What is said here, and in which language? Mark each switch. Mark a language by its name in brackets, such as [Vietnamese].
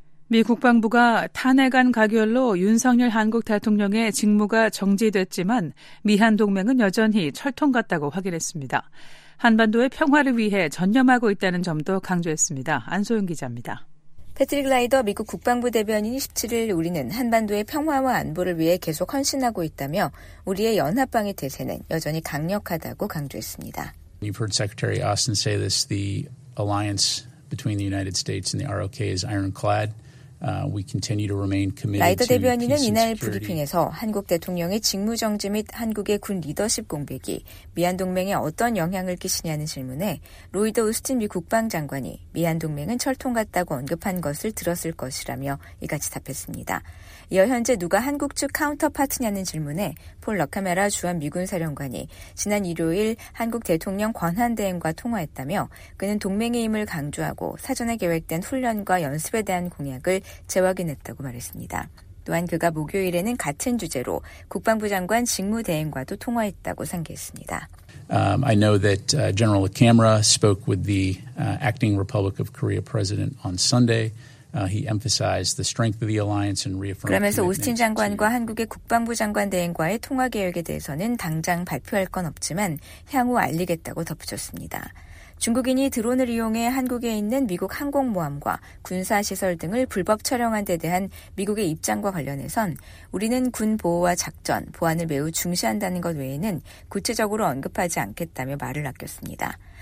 [Korean] 미 국방부가 탄핵안 가결로 윤석열 한국 대통령의 직무가 정지됐지만 미한 동맹은 여전히 철통 같다고 확인했습니다. 한반도의 평화를 위해 전념하고 있다는 점도 강조했습니다. 안소영 기자입니다. 패트릭 라이더 미국 국방부 대변인이 17일 우리는 한반도의 평화와 안보를 위해 계속 헌신하고 있다며 우리의 연합방위 태세는 여전히 강력하다고 강조했습니다. [English] You've heard Secretary Austin say this, the alliance between the United States and the ROK is ironclad. We continue to remain committed. [Korean] 라이더 대변인은 이날 브리핑에서 한국 대통령의 직무 정지 및 한국의 군 리더십 공백이 미한 동맹에 어떤 영향을 끼치냐는 질문에 로이드 오스틴 미 국방장관이 미한 동맹은 철통 같다고 언급한 것을 들었을 것이라며 이같이 답했습니다. 이어 현재 누가 한국 측 카운터파트냐는 질문에 폴 러카메라 주한미군 사령관이 지난 일요일 한국 대통령 권한대행과 통화했다며 그는 동맹의 힘을 강조하고 사전에 계획된 훈련과 연습에 대한 공약을 재확인했다고 말했습니다. 또한 그가 목요일에는 같은 주제로 국방부 장관 직무대행과도 통화했다고 상기했습니다. [English] I know that General Camara spoke with the acting Republic of Korea president on Sunday. He emphasized the strength of the alliance and reaffirmed. [Korean] 그러면서 오스틴 장관과 한국의 국방부 장관 대행과의 통화 계획에 대해서는 당장 발표할 건 없지만 향후 알리겠다고 덧붙였습니다. 중국인이 드론을 이용해 한국에 있는 미국 항공모함과 군사시설 등을 불법 촬영한 데 대한 미국의 입장과 관련해선 우리는 군 보호와 작전, 보안을 매우 중시한다는 것 외에는 구체적으로 언급하지 않겠다며 말을 아꼈습니다.